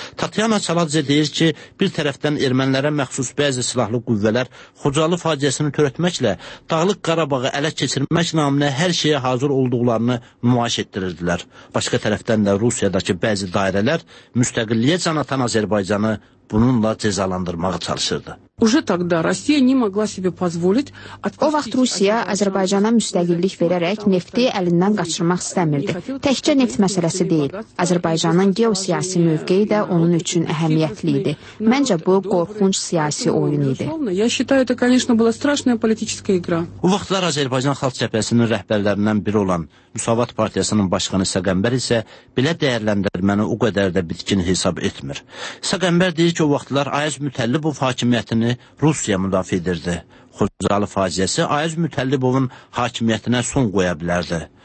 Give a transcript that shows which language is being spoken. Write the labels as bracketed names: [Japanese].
[Azerbaijani] Tatyana Çaladze deyir ki, bir tərəfdən ermənilərə məxsus bəzi silahlı qüvvələr Xocalı faciəsini törətməklə Dağlıq Qarabağı ələ keçirmək naminə hər şeyə hazır olduqlarını nümayiş etdirirdilər. Başqa tərəfdən də Rusiyadakı bəzi dairələr müstəqilliyə can atan Azərbaycanı bununla cəzalandırmağa çalışırdı. [Russian] Уже тогда Россия не могла себе позволить. [Azerbaijani] O vaxt Rusiya Azərbaycana müstəqillik verərək nefti əlindən qaçırmaq istəmirdi. Təkcə neft məsələsi deyil, Azərbaycanın geosiyasi mövqeyi də onun üçün əhəmiyyətli idi. Məncə bu qorxunç siyasi oyun idi. [Russian] Я считаю, это, конечно, была страшная политическая игра. [Azerbaijani] O vaxtlar Azərbaycan Xalq Cəbhəsinin rəhbərlərindən biri olan Müsavat Partiyasının başqanı Səqəmbər isə belə dəyərləndirməni o qədər də bitkin hesab etmir. Səqəmbər deyir ki, o vaxtlar Ayaz Mütəllibov hakimiyyəti Rusiya müdafiə edirdi. Xocalı faciəsi Ayaz Mütəllibovun hakimiyyətinə son qoya bilərdi.